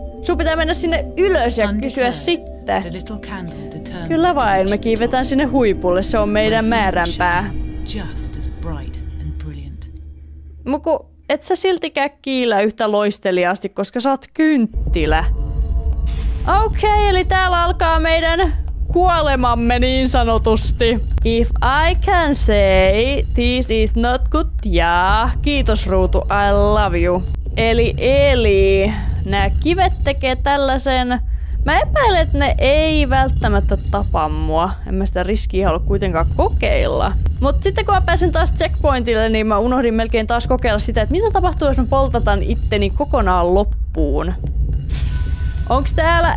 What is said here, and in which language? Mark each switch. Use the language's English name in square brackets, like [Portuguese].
[Finnish] Sun pitää mennä sinne ylös ja kysyä sitten. Kyllä vain, me kiivetään sinne huipulle, se on meidän määränpää. [English] Just as bright and brilliant. [Finnish] Muku, et sä siltikään kiillä yhtä loisteliaasti, koska sä oot kynttilä. Okay, eli täällä alkaa meidän kuolemamme niin sanotusti. [English] If I can say this is not good, yeah. [Finnish] Kiitos ruutu, [English] I love you. [Finnish] Eli, nää kivet tekee tällaisen. Mä epäilen, että ne ei välttämättä tapa mua. En mä sitä riskiä halua kuitenkaan kokeilla. Mut sitten kun mä pääsen taas checkpointille, niin mä unohdin melkein taas kokeilla sitä, että mitä tapahtuu, jos mä poltatan itteni kokonaan loppuun. Onks täällä?